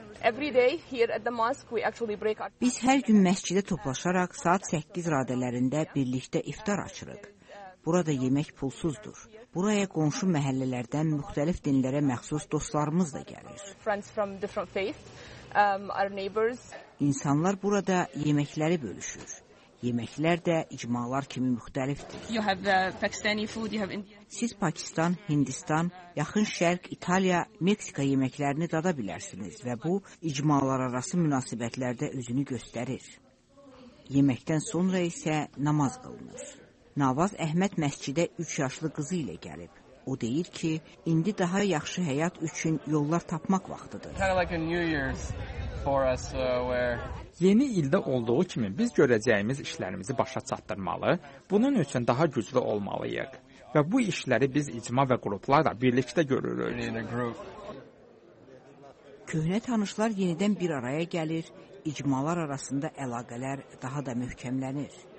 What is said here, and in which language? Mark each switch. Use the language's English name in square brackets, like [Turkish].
[Azerbaijani] Biz hər gün məscidə toplaşaraq saat 8 radələrində birlikdə iftar açırıq. Burada yemək pulsuzdur. Buraya qonşu məhəllələrdən müxtəlif dinlərə məxsus dostlarımız da gəlir. İnsanlar burada yeməkləri bölüşür. Yeməklər də icmalar kimi müxtəlifdir. [English] You have the Pakistani food, you have Indian. [Azerbaijani] Siz Pakistan, Hindistan, Yaxın Şərq, İtaliya, Meksika yeməklərini dada bilərsiniz və bu icmalar arası münasibətlərdə özünü göstərir. Yeməkdən sonra isə namaz qılınır. Navaz Əhməd məscidə 3 yaşlı qızı ilə gəlib. O deyir ki, indi daha yaxşı həyat üçün yollar tapmaq vaxtıdır. [English] Kind of like a New Year's for us, where... [Azerbaijani] Yeni ildə olduğu kimi biz görəcəyimiz işlərimizi başa çatdırmalı, bunun üçün daha güclü olmalıyıq. Və bu işləri biz icma və qruplarla birlikdə görürük. Köhnə tanışlar yenidən bir araya gəlir, icmalar arasında əlaqələr daha da möhkəmlənir.